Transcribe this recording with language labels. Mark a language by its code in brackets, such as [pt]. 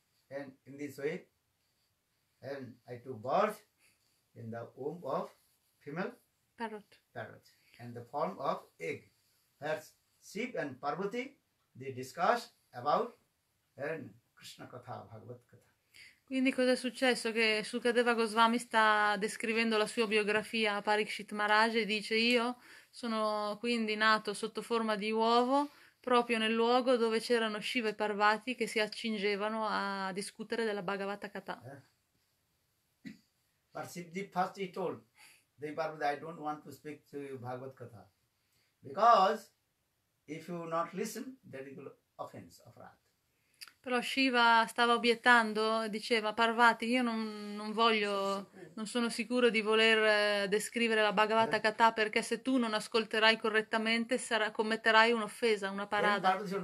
[en] And in this way, and I took birth in the womb of female parrot. Parrot. And the form of egg. That's Sip and Parvati, they discuss about and Krishna Katha, Bhagavad Katha. [it] Quindi cosa è successo? Che Sukadeva Goswami sta descrivendo la sua biografia a Parikshit Maharaj e dice io sono quindi nato sotto forma di uovo proprio nel luogo dove c'erano Shiva e Parvati che si accingevano a discutere della Bhagavata Katha. [en] But Siddhi first he told the Parvati, I don't want to speak to you Bhagavad Katha because if you not listen that is offense of wrath. [it] Però Shiva stava obiettando, diceva Parvati, io non voglio, non sono sicuro di voler descrivere la Bhagavata Katha perché se tu non ascolterai correttamente commetterai un'offesa, una parada.